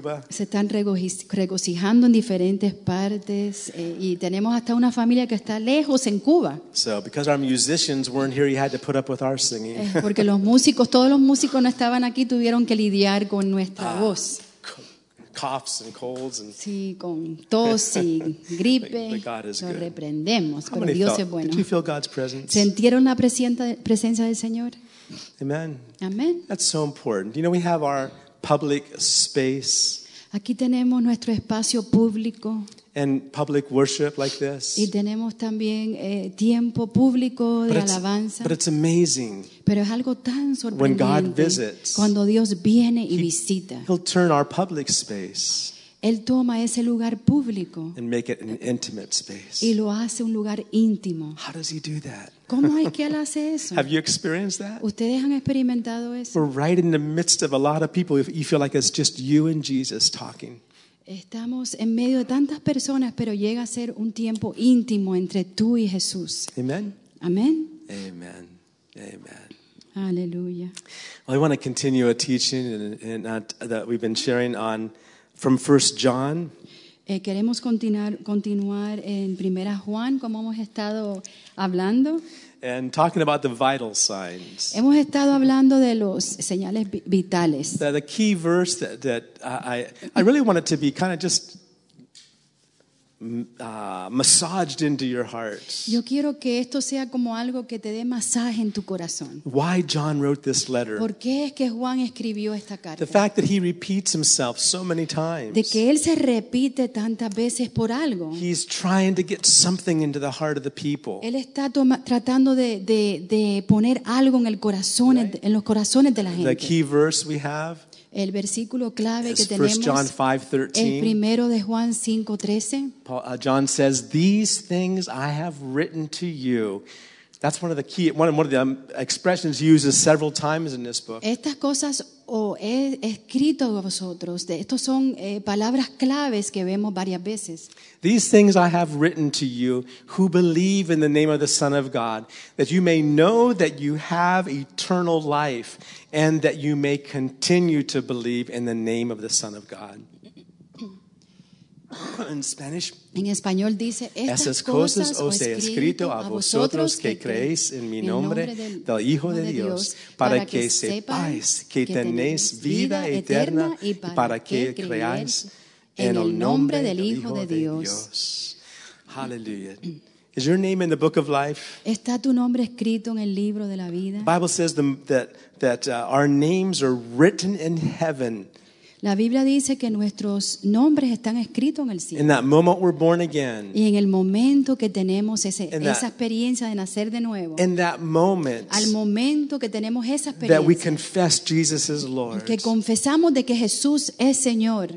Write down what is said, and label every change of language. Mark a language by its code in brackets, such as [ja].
[es] Se están regocijando en diferentes partes y tenemos hasta una familia que está lejos en Cuba. [en] So because our musicians weren't here, you had to put up with our singing. [es] Porque los músicos, todos los músicos no estaban aquí, tuvieron que lidiar con nuestra voz. [en] Coughs and colds and [es] sí, con tos y gripe. Lo reprendemos, pero Dios es bueno. [en] Did you feel God's presence? [es] ¿Sintieron la presencia del Señor? [en] Amen. [es] Amen. [en] That's so important. You know, we have our public space. [es] Aquí tenemos nuestro espacio público. [en] And public worship like this. [es] Y tenemos también tiempo público de alabanza. [en] But it's amazing. [es] Pero es algo tan sorprendente. [en] When God visits, [es] cuando Dios viene y visita. [en] He'll turn our public space. [es] Él toma ese lugar público. [en] And make it an intimate space. [es] Y lo hace un lugar íntimo. [en] How does he do that? [es] ¿Cómo es que él hace eso? [en] Have you experienced that? [es] ¿Ustedes han experimentado eso? [en] We're right in the midst of a lot of people. You feel like it's just you and Jesus talking. [es] Estamos en medio de tantas personas, pero llega a ser un tiempo íntimo entre tú y Jesús. [en] Amen. [es] Amen. Amen. Amen. Aleluya. [en] Well, I want to continue a teaching that we've been sharing on from 1 John. [es] Queremos continuar en Primera Juan, como hemos estado hablando. [en] and talking about the vital signs. [es] Hemos estado hablando de los señales vitales. [en] The key verse that I really want it to be kind of just massaged into your heart. [es] Yo quiero que esto sea como algo que te dé masaje en tu corazón. [en] Why John wrote this letter? [es] ¿Por qué es que Juan escribió esta carta? [en] The fact that he repeats himself so many times. [es] De que él se repite tantas veces por algo. [en] He's trying to get something into the heart of the people. [es] Él está tratando de poner algo en el corazón, right? En los corazones de la gente. [en] The key verse we have. [es] El versículo clave que tenemos, [en] 1 John 5:13. [es] El primero de Juan 5:13. [en] John says, "These things I have written to you." That's one of the key, one of the expressions used several times in this book. [es] Estas cosas he escrito a vosotros. Estos son palabras claves que vemos varias veces. [en] These things I have written to you who believe in the name of the Son of God, that you may know that you have eternal life and that you may continue to believe in the name of the Son of God. In Spanish, [es] en español dice, estas cosas os he escrito a vosotros que creéis en mi nombre del Hijo de Dios, para que sepáis que tenéis vida eterna y para que creáis en el nombre del Hijo de Dios. [en] Hallelujah. Is your name in the book of life? [es] ¿Está tu nombre escrito en el libro de la vida? [en] The Bible says that our names are written in heaven. [es] La Biblia dice que nuestros nombres están escritos en el cielo. [en] In that moment we're born again. [es] Y en el momento que tenemos esa experiencia de nacer de nuevo. [en] In that moment. [es] Al momento que tenemos esa experiencia. [en] That we confess Jesus is Lord. [es] Que confesamos de que Jesús es Señor.